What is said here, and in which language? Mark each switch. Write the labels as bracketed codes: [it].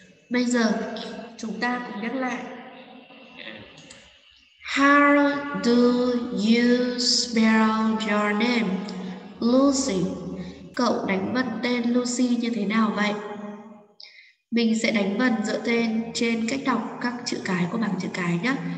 [vi] Bây giờ, chúng ta cùng nhắc lại. [en] How do you spell your name, Lucy? [vi] Cậu đánh vần tên Lucy như thế nào vậy? Mình sẽ đánh vần dựa tên trên cách đọc các chữ cái của bảng chữ cái nhé.